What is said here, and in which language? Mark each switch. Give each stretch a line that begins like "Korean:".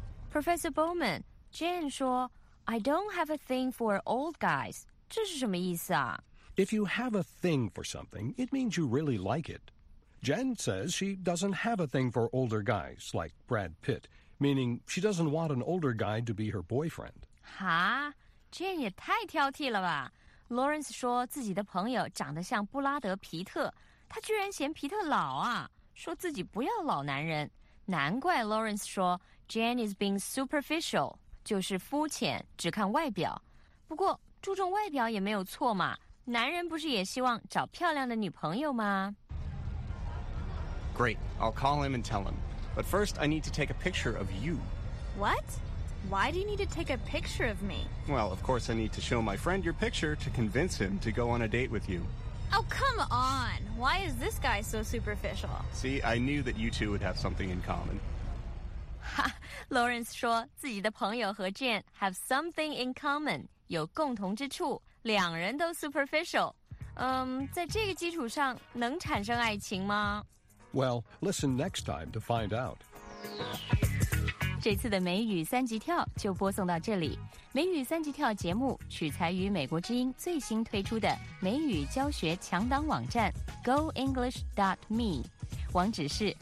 English: Professor Bowman, Jen
Chinese: 说,
English: I don't have a thing for old guys.
Chinese: 这是什么意思啊?
English: If you have a thing for something, it means you really like it. Jen says she doesn't have a thing for older guys, like Brad Pitt, meaning she doesn't want an older guy to be her boyfriend.
Chinese: 哈?Jen 也太挑剔了吧。 Lawrence 说自己的朋友长得像布拉德·皮特。他居然嫌皮特老啊,说自己不要老男人。难怪 Lawrence 说
English: Jen is being superficial,
Chinese: 就是肤浅,只看外表。不过,注重外表也没有错嘛。男人不是也希望找漂亮的女朋友吗?
English: Great, I'll call him and tell him. But first, I need to take a picture of you. What? Why do you need to take a picture of me? Well, of course, I need to show my friend your picture to convince him to go on a date with you. Oh, come on! Why is this guy so superficial? See, I knew that you two would have something in common. Ha!
Chinese: Lawrence 说自己的朋友和 Jen
English: have something in common,
Chinese: 有共同之处，两人都 superficial. 在这个基础上能产生爱情吗？
English: Well, listen next time to find out.
Chinese: 这次的美语三级跳就播送到这里。美语三级跳节目取材于美国之音最新推出的美语教学强档网站 goenglish.me， 网址是